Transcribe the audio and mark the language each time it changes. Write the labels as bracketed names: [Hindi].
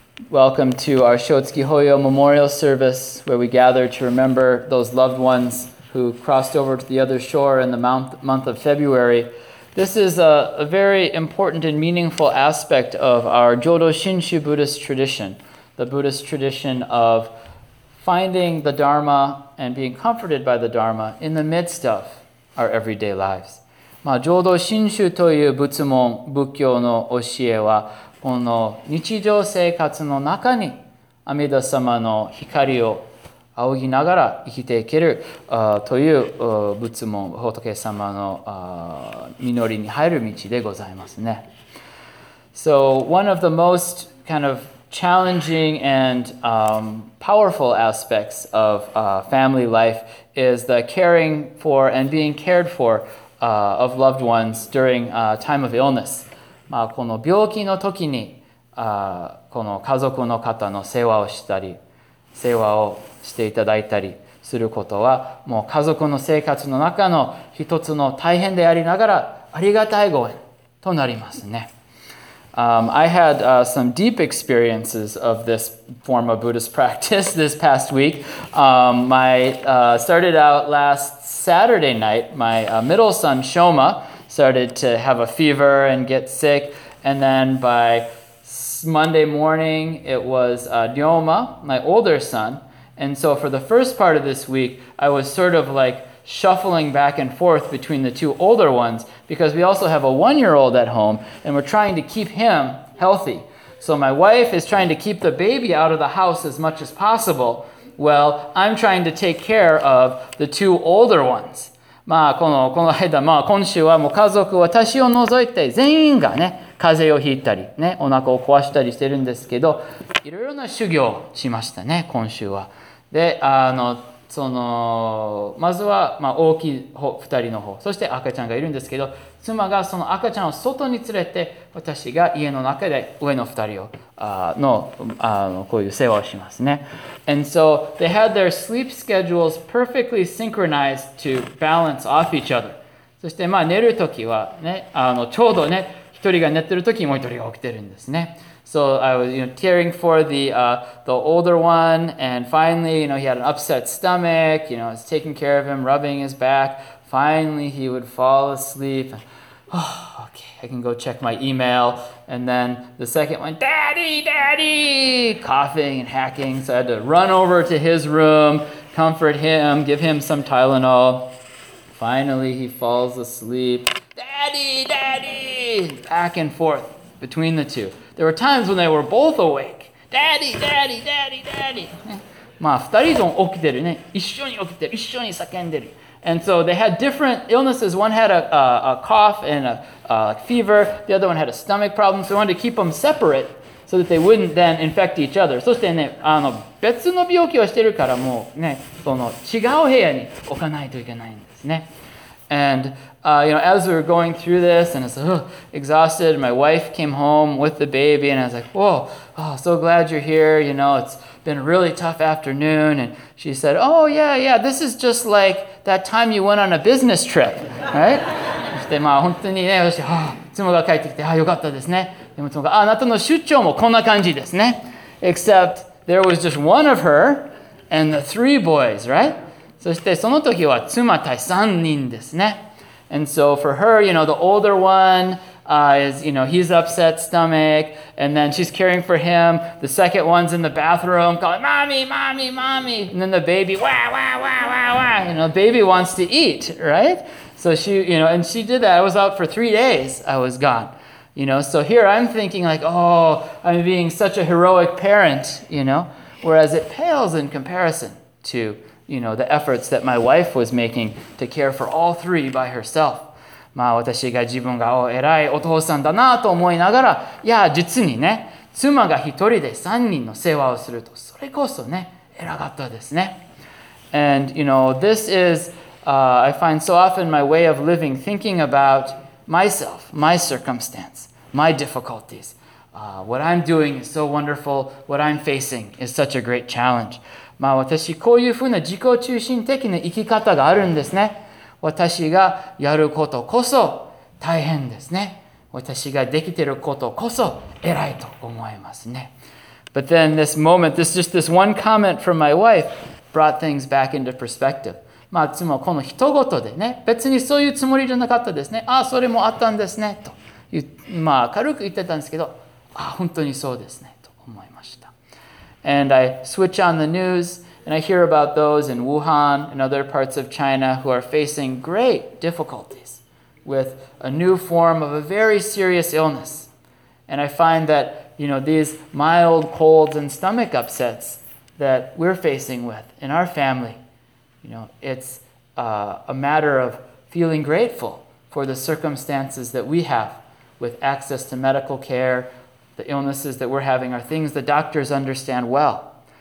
[English] Welcome to our Shōtsuki Hōyō Memorial Service, where we gather to remember those loved ones who crossed over to the other shore in the month of February. This is a very important and meaningful aspect of our Jodo Shinshu Buddhist tradition, the Buddhist tradition of finding the Dharma and being comforted by the Dharma in the midst of our everyday lives. [Japanese] Jodo Shinshu という仏門、仏教の教えは、この日常生活の中に阿弥陀様の光を仰ぎながら生きていけるという仏門、仏様の実りに入る道でございますね。 [English] So one of the most kind of challenging and powerful aspects of family life is the caring for and being cared for of loved ones during time of illness. [Japanese] この病気の時にこの家族の方の世話をしたり世話をしていただいたりすることはもう家族の生活の中の一つの大変でありながらありがたいご縁となりますね。 [English] I had some deep experiences of this form of Buddhist practice this past week. Started out last Saturday night. My middle son, Shoma,started to have a fever and get sick. And then by Monday morning, it was Ryoma, my older son. And so for the first part of this week, I was sort of like shuffling back and forth between the two older ones because we also have a one-year-old at home and we're trying to keep him healthy. So my wife is trying to keep the baby out of the house as much as possible. Well, I'm trying to take care of the two older ones. [Japanese] まあ、この間、まあ、今週はもう家族私を除いて全員がね、風邪をひいたり、ね、お腹を壊したりしてるんですけど、いろいろな修行をしましたね、今週は。で、まずは、まあ、大きい方、二人の方、そして赤ちゃんがいるんですけど、妻がその赤ちゃんを外に連れて、私が家の中で上の二人を、こういう世話をしますね。 [English] And so they had their sleep schedules perfectly synchronized to balance off each other. [Japanese] そしてまあ寝るときはね、ちょうどね、一人が寝てるときもう一人が起きてるんですね。 [English] So I was, caring for the older one, and finally, he had an upset stomach. I was taking care of him, rubbing his back. Finally, he would fall asleep. Oh, okay, I can go check my email. And then the second one, Daddy, Daddy, coughing and hacking. So I had to run over to his room, comfort him, give him some Tylenol. Finally, he falls asleep. Daddy, Daddy, back and forth between the two. There were times when they were both awake. Daddy, Daddy, Daddy, Daddy. [Japanese] まあ、二人とも起きてるね。一緒に起きてる。一緒に叫んでる。 [English] And so they had different illnesses. One had a cough and a fever. The other one had a stomach problem. So they wanted to keep them separate so that they wouldn't then infect each other. [Japanese] そしてね、あの別の病気をしてるからもうね、その違う部屋に置かないといけないんですね。 [English] And, you know, as we were going through this, and I was exhausted, my wife came home with the baby, and I was like, whoa, oh, so glad you're here. You know, it's been a really tough afternoon. And she said, oh, yeah, yeah, this is just like that time you went on a business trip, right? [Japanese] そして、まあ、本当にね、私、妻が帰ってきて、ああ、よかったですね。でも妻が、あなたの出張もこんな感じですね。 [English] Except there was just one of her and the three boys, right? [Japanese] そしてその時は妻対三人ですね。 [English] And so for her, you know, the older one, is, you know, he's upset stomach, and then she's caring for him. The second one's in the bathroom calling, mommy, mommy, mommy. And then the baby, wah, wah, wah, wah, wah. You know, baby wants to eat, right? So she, you know, and she did that. I was out for 3 days. I was gone. You know, so here I'm thinking like, oh, I'm being such a heroic parent, you know, whereas it pales in comparison to... You know, the efforts that my wife was making to care for all three by herself. [Japanese] まあ私が自分が偉いお父さんだなと思いながら、いや実にね、妻が一人で三人の世話をすると、それこそね、偉かったですね。 [English] And, you know, this is, I find so often my way of living, thinking about myself, my circumstance, my difficulties. What I'm doing is so wonderful. What I'm facing is such a great challenge. [Japanese] まあ、私こういうふうな自己中心的な生き方があるんですね。私がやることこそ大変ですね。私ができていることこそ偉いと思いますね。 [English] But then this moment, this just this one comment from my wife brought things back into perspective. [Japanese] まあ、妻はこの一言でね、別にそういうつもりじゃなかったですね。ああ、それもあったんですね。と、まあ、軽く言ってたんですけど、ああ、本当にそうですね。と思いました。 [English] And I switch on the news, and I hear about those in Wuhan and other parts of China who are facing great difficulties with a new form of a very serious illness. And I find that, you know, these mild colds and stomach upsets that we're facing with in our family, you know, it's a matter of feeling grateful for the circumstances that we have with access to medical care,The illnesses that we're having are things the doctors understand well.